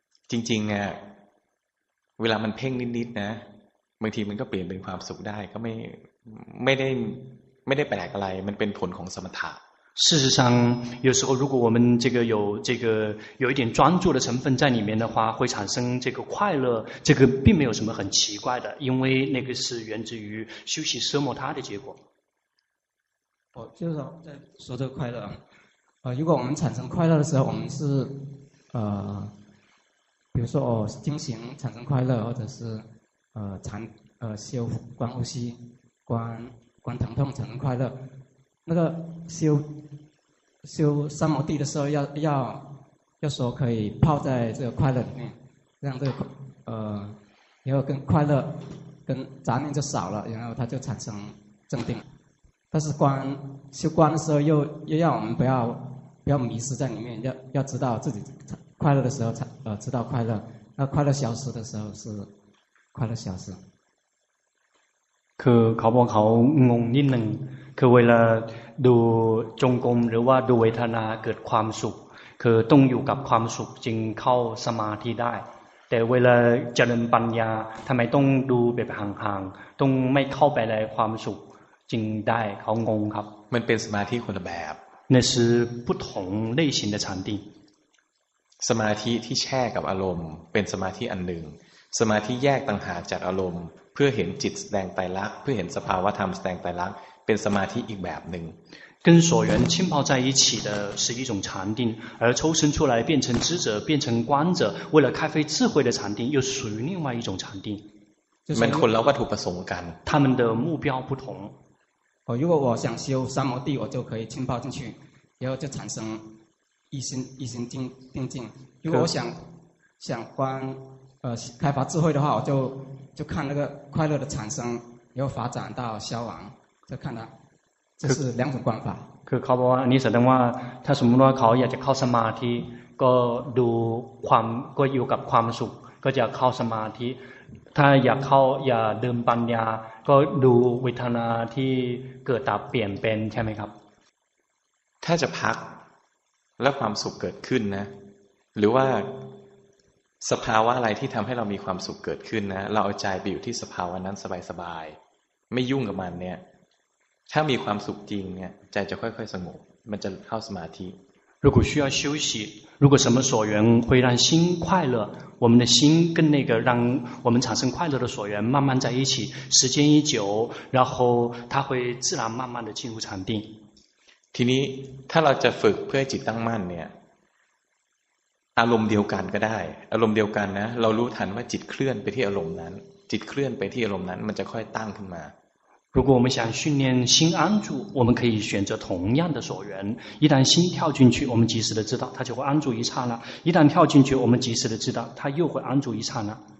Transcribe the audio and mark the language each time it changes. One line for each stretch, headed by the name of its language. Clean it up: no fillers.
Thai: จริงๆเนี่ยเวลามันเพ่งนิดๆนะบางทีมันก็เปลี่ยนเป็นความสุขได้ก็ไม่ได้แปลกอะไรมันเป็นผลของสมถะ
Chinese: 事实上有时候如果我们这个有一点专注的成分在里面的话会产生这个快乐这个并没有什么很奇怪的因为那个是源自于休息奢摩他的结果我就是在说这个快乐如果我们产生快乐的时候我们是比如说哦经行产生快乐或者是修观呼吸观疼痛产生快乐那个修三摩地的时候要就说可以泡在这个快乐里面，让这个然后跟快乐跟杂念就少了，然后它就产生正定。但是观修观的时候又要我们不要迷失在里面，要知道自己快乐的时候知道快乐，那快乐消失的时候是快乐消失。
Thai: คือเขาบอกเขางงนิดหนึ่งคือเวลาดูจงกรมหรือว่าดูเวทนาเกิดความสุขคือต้องอยู่กับความสุขจึงเข้าสมาธิได้แต่เวลาเจริญปัญญาทำไมต้องดูแบบห่างๆต้องไม่เข้าไปในความสุขจึงได้เขางงครับ มันเป็นสมาธิคนละแบ
Chinese: บ那是不同类型的禅定
Thai: สมาธิที่แช่กับอารมณ์เป็นสมาธิอันหนึ่งสมาธิแยกต่างหากจากอารมณ์เพื่อเห็นจิตแสดงไตรลักษณ์เพื่อเห็นสภาวะธรรมแสดงไตรลักษณ์เป็นสมาธิอีกแบบหนึ่ง
Chinese: 跟所缘浸泡在一起的是一种禅定，而抽身出来变成知者，变成观者，为了开发智慧的禅定，又属于另外一种禅定。
Thai: มันคนละวัตถุประสงค์กัน
Chinese: 他们的目标不同。哦，如果我想修三摩地，我就可以浸泡进去，然后就产生一心定静。如果我想观开发智慧的话，我就看那个快乐的产生，然后发展到消亡，就看它，这是两种观法。
Thai: คือเขาบอกว่าอันนี้แสดงว่าถ้าสมมติว่าเขาอยากจะเข้าสมาธิก็ดูความก็อยู่กับความสุขก็จะเข้าสมาธิถ้าอยากเข้าอย่าเดิมปัญญาก็ดูเวทนาที่เกิดตับเปลี่ยนเป็นใช่ไหมครับ ถ้าจะพักแล้วความสุขเกิดขึ้นนะหรือว่าสภาวะอะไรที่ทำให้เรามีความสุขเกิดขึ้นนะเราเอาใจไปอยู่ที่สภาวะนั้นสบายๆไม่ยุ่งกับมันเนี่ยถ้ามีความสุขจริงเนี่ยใจจะค่อยๆสงบมันจะเข้าสมาธิ
Chinese: 如果需要休息如果什么所缘会让心快乐我们的心跟那个让我们产生快乐的所缘慢慢在一起时间一久然后它会自然慢慢的进入禅定
Thai: ทีนี้ถ้าเราจะฝึกเพื่อจิตตั้งมั่นเนี่ยอารมณ์เดียวกันก็ได้อารมณ์เดียวกันนะเรารู้ทันว่าจิตเคลื่อนไปที่อารมณ์นั้นจิตเคลื่อนไปที่อารมณ์นั้นมันจะค่อยตั้งขึ้นมา
Chinese: 如果我们想训练心安住我们可以选择同样的所缘一旦心跳进去我们及时的知道它就会安住一刹那一旦跳进去我们及时的知道它又会安住一刹那